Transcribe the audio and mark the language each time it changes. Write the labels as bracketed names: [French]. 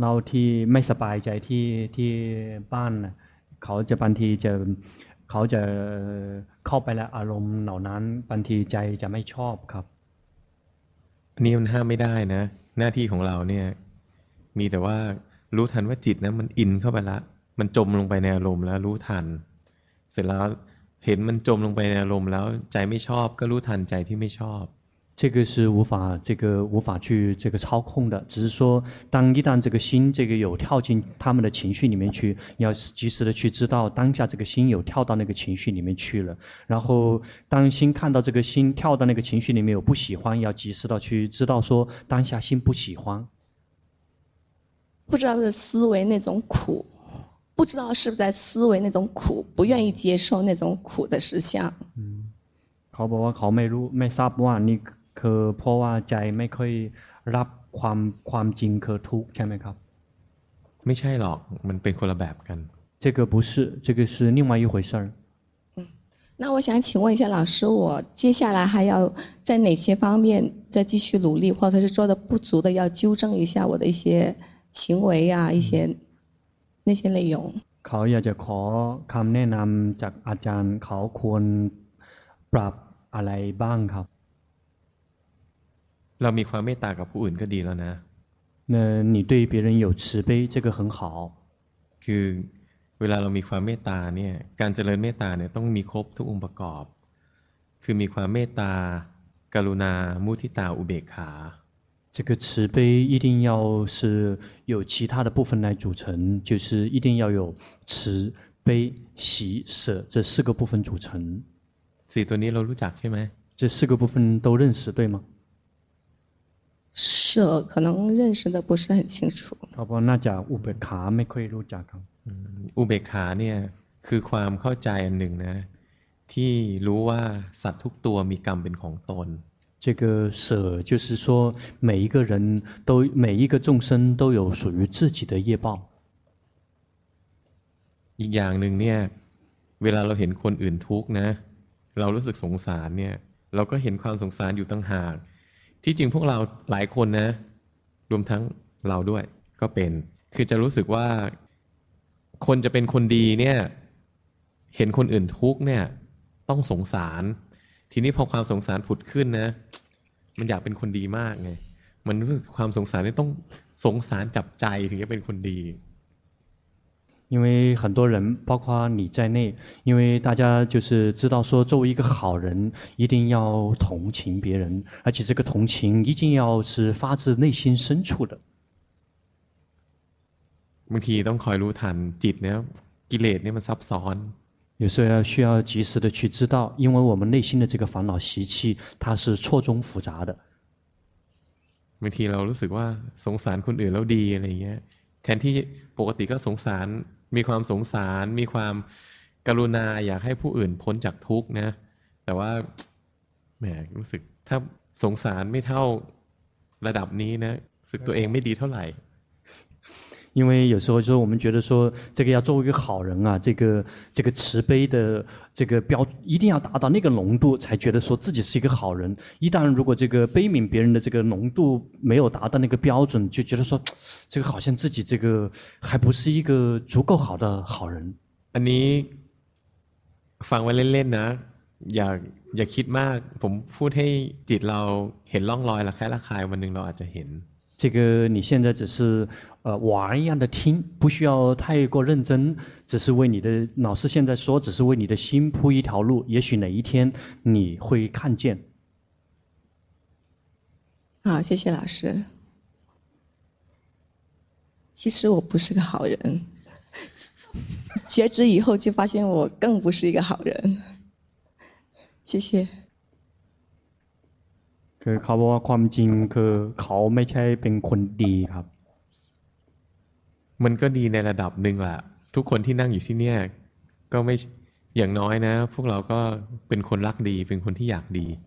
[Thai] ที่ไม่สบายใจที่บ้านเขาจะบางทีจะเขาจะเข้าไปแล้วอารมณ์เหล่านั้นบางทีใจจะไม่ชอบครับ นี่มันห้ามไม่ได้นะหน้าที่ของเราเนี่ยมีแต่ว่ารู้ทันว่าจิตนั้นมันอินเข้าไปละมันจมลงไปในอารมณ์แล้วรู้ทันเสร็จแล้วเห็นมันจมลงไปในอารมณ์แล้วใจไม่ชอบก็รู้ทันใจที่ไม่ชอบ [Chinese] 这个是无法去这个操控的，只是说当一旦这个心这个有跳进他们的情绪里面去，要及时的去知道当下这个心有跳到那个情绪里面去了，然后当心看到这个心跳到那个情绪里面有不喜欢，要及时的去知道说当下心不喜欢。不知道是思维那种苦，不知道是不是在思维那种苦，不愿意接受那种苦的实相。嗯。 [Thai] เขาบอกว่าเขาไม่รู้ไม่ทราบว่านี่คือเพราะว่าใจไม่ค่อยรับความจริงคือทุกข์ใช่ไหมครับ ไม่ใช่หรอกมันเป็นคนละแบบกัน [Chinese] 这个不是这个是另外一回事儿那我想请问一下老师我接下来还要在哪些方面再继续努力或者是做的不足的要纠正一下我的一些行为啊一些那些内容 [Thai] เขาอยากจะขอคำแนะนำจากอาจารย์เขาควรปรับอะไรบ้างครับ เรามีความเมตตากับผู้อื่นก็ดีแล้วนะ [Chinese] 那你对别人有慈悲这个很好 [Thai] คือเวลาเรามีความเมตตาเนี่ยการเจริญเมตตาเนี่ยต้องมีครบทุกองค์ประกอบคือมีความเมตตากรุณามุทิตาอุเบกขา [Chinese] 这个慈悲一定要是有其他的部分来组成就是一定要有慈悲喜舍这四个部分组成 [Thai] สี่ตัวนี้เรารู้จักใช่ไหม [Chinese] 这四个部分都认识对吗是可能认识的不是很清楚 [Thai] เพราะว่าน่าจะอุเบกขาไม่ค่อยรู้จักครับ อุเบกขาเนี่ยคือความเข้าใจอันหนึ่งนะที่รู้ว่าสัตว์ทุกตัวมีกรรมเป็นของตน [Chinese] 这个舍就是说每一个人都每一个众生都有属于自己的业报 [Thai] อีกอย่างหนึ่งเนี่ยเวลาเราเห็นคนอื่นทุกข์นะเรารู้สึกสงสารเนี่ยเราก็เห็นความสงสารอยู่ตั้งหากที่จริงพวกเราหลายคนนะรวมทั้งเราด้วยก็เป็นคือจะรู้สึกว่าคนจะเป็นคนดีเนี่ยเห็นคนอื่นทุกข์เนี่ยต้องสงสารทีนี้พอความสงสารผุดขึ้นนะมันอยากเป็นคนดีมากไงมันรู้สึกความสงสารนี่ต้องสงสารจับใจถึงจะเป็นคนดี [Chinese] 因为很多人包括你在内因为大家就是知道说作为一个好人一定要同情别人而且这个同情一定要是发自内心深处的 [Thai] บางทีต้องคอยรู้ทันจิตเนี่ยกิเลสเนี่ยมันซับซ้อน [Chinese] 有时候要需要及时的去知道因为我们内心的这个烦恼习气它是错综复杂的 [Thai] บางทีเรารู้สึกว่าสงสารคนอื่นแล้วดีอะไรเงี้ยแทนที่ปกติก็สงสารมีความสงสารมีความกรุณาอยากให้ผู้อื่นพ้นจากทุกข์นะแต่ว่าแหมรู้สึกถ้าสงสารไม่เท่าระดับนี้นะรู้สึกตัวเองไม่ดีเท่าไหร่ [Chinese] 因为有时候就是我们觉得说这个要做一个好人啊这个慈悲的这个标一定要达到那个浓度才觉得说自己是一个好人一旦如果这个悲悯别人的这个浓度没有达到那个标准就觉得说这个好像自己这个还不是一个足够好的好人 [Thai] อันนี้ฟังไว้เล่นๆนะอย่าคิดมากผมพูดให้จิตเราเห็นร่องรอยระแคะระคายวันหนึ่งเราอาจจะเห็น [Chinese] 这个你现在只是玩一样的听不需要太过认真只是为你的老师现在说只是为你的心铺一条路也许哪一天你会看见好谢谢老师其实我不是个好人觉知以后就发现我更不是一个好人。谢谢。 [Thai] คือเขาบอกว่าความจริงคือเขาไม่ใช่เป็นคนดีครับ มันก็ดีในระดับหนึ่งแหละทุกคนที่นั่งอยู่ที่เนี่ยก็ไม่อย่างน้อยนะพวกเราก็เป็นคนรักดีเป็นคนที่อยากดี